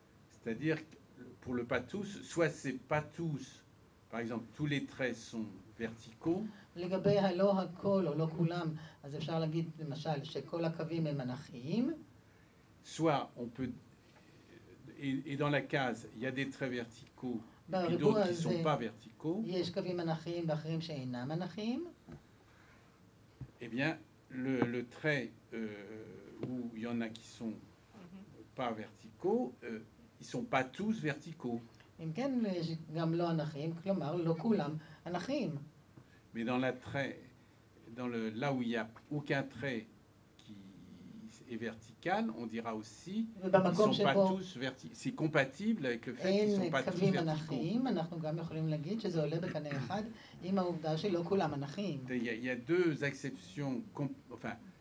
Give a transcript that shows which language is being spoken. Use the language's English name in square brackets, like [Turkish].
[French] C'est-à-dire, que pour le pas tous, soit c'est pas tous, par exemple, tous les traits sont verticaux. [Hebrew] לגבי הלא הכל או לא כולם, אז אפשר להגיד למשל שכל הקווים הם אנכיים. [French] Soit on peut et dans la case il y a des traits verticaux et d'autres qui sont pas verticaux. [Hebrew] יש קווים אנכיים ואחרים שאינם אנכיים. [French] Eh bien le trait où il y en a qui sont pas verticaux, ils sont pas tous verticaux. [Hebrew] אם כן יש גם לא אנכיים, כלומר לא כולם אנכיים. [French] Mais dans la trait, dans le là où il n'y a aucun trait qui est vertical, on dira aussi qu'ils ne sont pas tous verticaux. C'est compatible avec le fait qu'ils ne sont pas tous verticaux. Il y a deux exceptions, enfin,